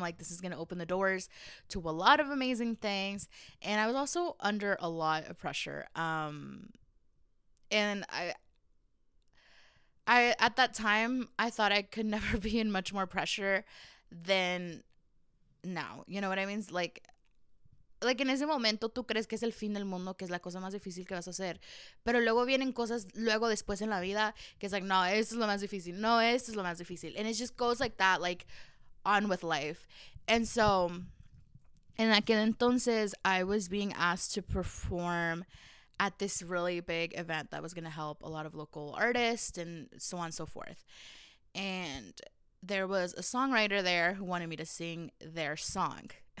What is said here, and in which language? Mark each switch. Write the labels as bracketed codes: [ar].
[en] Like, this is going to open the doors to a lot of amazing things. And I was also under a lot of pressure. And I at that time, I thought I could never be in much more pressure than now. You know what I mean? [es] Like en ese momento, tú crees que es el fin del mundo, que es la cosa más difícil que vas a hacer. Pero luego vienen cosas, luego después en la vida, que es like, no, esto es lo más difícil. No, esto es lo más difícil. [en] And it just goes like that, like, on with life. And so, [es] en aquel entonces, [en] I was being asked to perform at this really big event that was going to help a lot of local artists and so on and so forth. And there was a songwriter there who wanted me to sing their song.